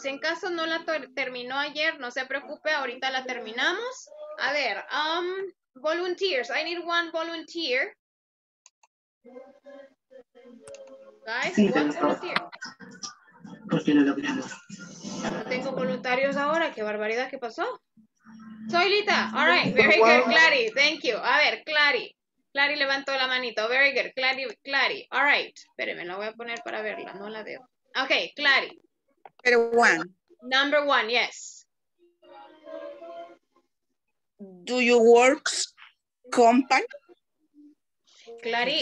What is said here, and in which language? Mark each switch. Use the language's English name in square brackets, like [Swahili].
[Spanish] Si en caso no la terminó ayer, no se preocupe, ahorita la terminamos. A ver, [English] volunteers, I need one volunteer. Guys, [Spanish] sí, no tengo voluntarios ahora, qué barbaridad, ¿qué pasó? Soy Lita, [English] all right, very good, Clary, thank you. [Spanish] A ver, Clary, Clary levantó la manito, [English] very good, [Spanish] Clary, Clary, [English] all right. [Spanish] Espérenme, la voy a poner para verla, no la veo. [English] Ok, Clary. Number one. Number one, yes. Do you work company? Clary,